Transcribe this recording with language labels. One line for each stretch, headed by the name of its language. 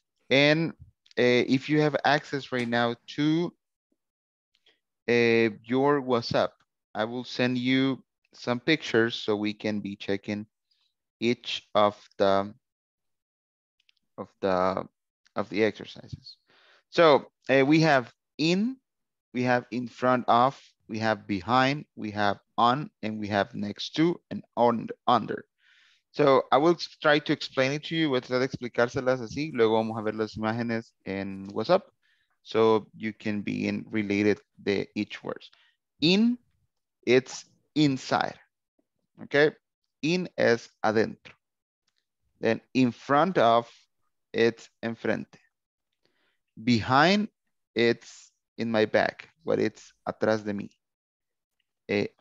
English: And if you have access right now to your WhatsApp, I will send you some pictures so we can be checking each of the exercises. So we have in, we have in front of, we have behind, we have on, and we have next to, and on under. So I will try to explain it to you.
Spanish: Voy a tratar de explicárselas así. Luego vamos a ver las imágenes en WhatsApp.
English: So you can be in related the each words. In, it's inside. Okay. In
Spanish: es adentro.
English: Then in front of, it's enfrente. Behind, it's in my back, but it's
Spanish: atrás de mí.